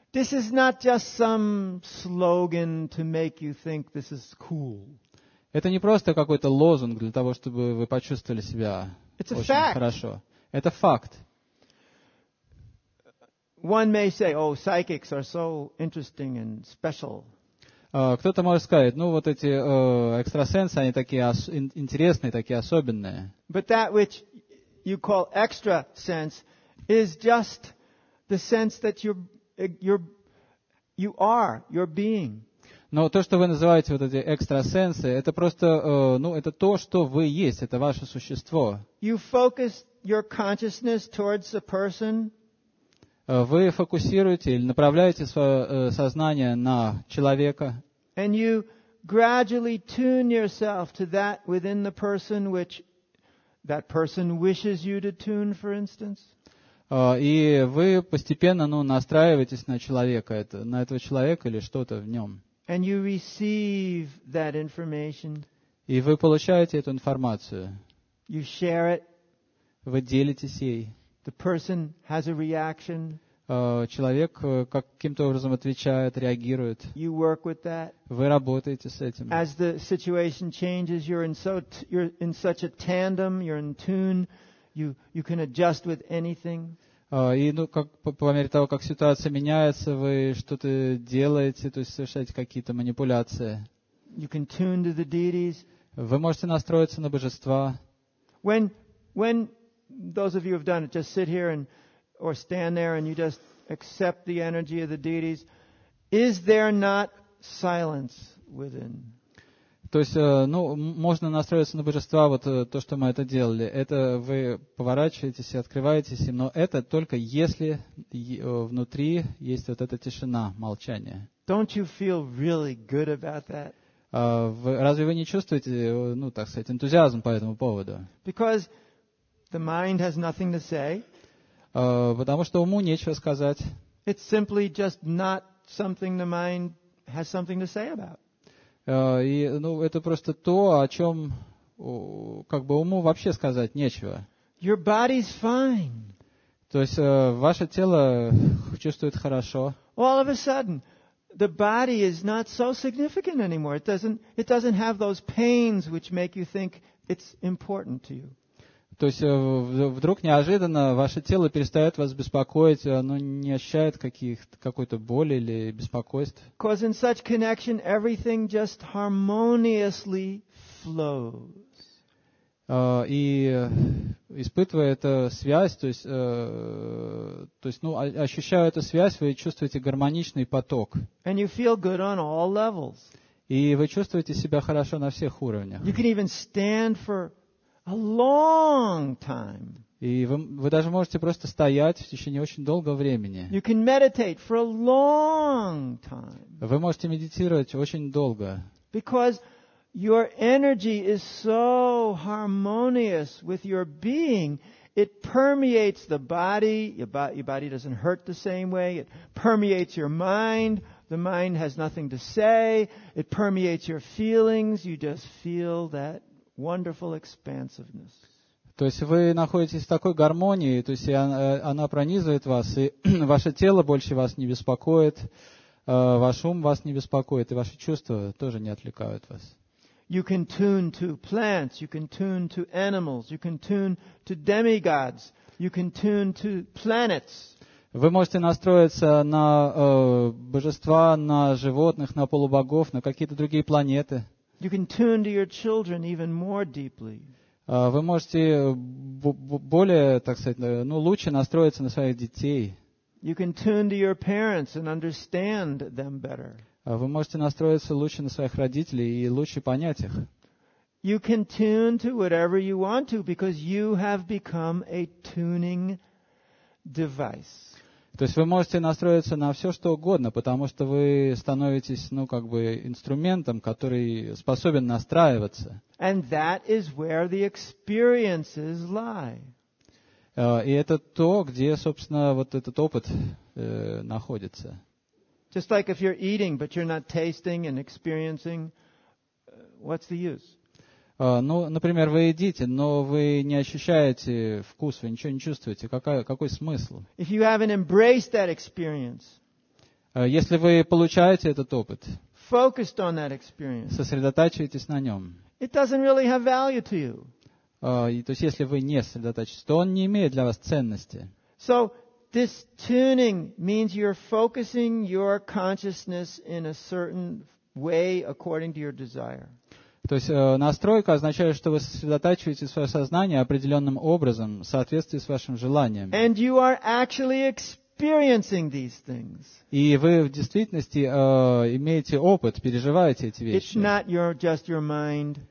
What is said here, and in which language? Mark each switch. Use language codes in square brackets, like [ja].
[en] This is not just some slogan to make you think this is cool. [ru] Это не просто какой-то лозунг для того, чтобы вы почувствовали себя очень хорошо. Это факт. [en] One may say, "Oh, psychics are so interesting and special." [ru] Кто-то может сказать, ну вот эти экстрасенсы, они такие интересные, такие особенные. [en] But that which you call extra sense is just the sense that you're being. [ru] Но то, что вы называете вот эти экстрасенсы, это просто, ну, это то, что вы есть, это ваше существо. [en] You focus your consciousness towards a person. [ru] Вы фокусируете или направляете свое сознание на человека. [en] And you gradually tune yourself to that within the person which that person wishes you to tune, for instance. [ru] И вы постепенно, ну, настраиваетесь на человека, на этого человека или что-то в нем. [en] And you receive that information. [ru] И вы получаете эту информацию. [en] You share it. [ru] Вы делитесь ей. [en] The person has a reaction. [ru] Человек каким-то образом отвечает, реагирует. [en] You work with that. [ru] Вы работаете с этим. [en] As the situation changes, you're in such a tandem, you're in tune. You can adjust with anything. [ru] И, ну, как по мере того, как ситуация меняется, вы что-то делаете, то есть совершаете какие-то манипуляции. [en] You can tune to the deities. [ru] Вы можете настроиться на божества. [en] When those of you have done it, just sit here and or stand there and you just accept the energy of the deities. Is there not silence within? [ru] То есть, ну, можно настроиться на божества, вот то, что мы это делали. Это вы поворачиваетесь и открываетесь, но это только если внутри есть вот эта тишина, молчание. [en] Don't you feel really good about that? [ru] Разве вы не чувствуете, ну, так сказать, энтузиазм по этому поводу? [en] Because the mind has nothing to say. [ru] Потому что уму нечего сказать. [en] It's simply just not something the mind has something to say about. [ru] И, ну, это просто то, о чем, как бы, уму вообще сказать нечего. [en] Your body's fine. [ru] То есть ваше тело чувствует хорошо. [en] All of a sudden, the body is not so significant anymore. It doesn't have those pains which make you think it's important to you. [ru] То есть вдруг неожиданно ваше тело перестает вас беспокоить, оно не ощущает какой-то боли или беспокойств. [en] Because in such connection everything just harmoniously flows. [ru] И испытывая эту связь, то есть, ну, ощущая эту связь, вы чувствуете гармоничный поток. [en] And you feel good on all levels. [ru] И вы чувствуете себя хорошо на всех уровнях. [en] You can even stand for a long time. [ru] И вы даже можете просто стоять в течение очень долгого времени. [en] You can meditate for a long time. [ru] Вы можете медитировать очень долго. [en] Because your energy is so harmonious with your being, it permeates the body. Your body doesn't hurt the same way. It permeates your mind. The mind has nothing to say. It permeates your feelings. You just feel that wonderful expansiveness. [ru] То есть вы находитесь в такой гармонии, то есть она пронизывает вас, и ваше тело больше вас не беспокоит, ваш ум вас не беспокоит, и ваши чувства тоже не отвлекают вас. [en] You can tune to plants, you can tune to animals, you can tune to demigods, you can tune to planets. [ru] Вы можете настроиться на божества, на животных, на полубогов, на какие-то другие планеты. [en] You can tune to your children even more deeply. [ru] Вы можете более, так сказать, ну, лучше настроиться на своих детей. [en] You can tune to your parents and understand them better. [ru] Вы можете настроиться лучше на своих родителей и лучше понять их. [en] You can tune to whatever you want to because you have become a tuning device. [ru] То есть вы можете настроиться на все, что угодно, потому что вы становитесь, ну, как бы, инструментом, который способен настраиваться. [en] And that is where the experiences lie. [ru] И это то, где, собственно, вот этот опыт находится. [en] Just like if you're eating, but you're not tasting and experiencing, what's the use? [ru] Ну, например, вы едите, но вы не ощущаете вкус, вы ничего не чувствуете. Какой смысл? [en] If you haven't embraced that experience, [ru] если вы получаете этот опыт, [en] focused on that experience, [ru] сосредотачиваетесь на нем, [en] it doesn't really have value to you. [ru] То есть, если вы не сосредотачиваетесь, то он не имеет для вас ценности. [en] So, this tuning means you're focusing your consciousness in a certain way according to your desire. [ru] То есть настройка означает, что вы сосредотачиваете свое сознание определенным образом, в соответствии с вашим желанием. [en] And you are actually experiencing these things. [ru] И вы в действительности имеете опыт, переживаете эти вещи. [en] It's not your, just your mind.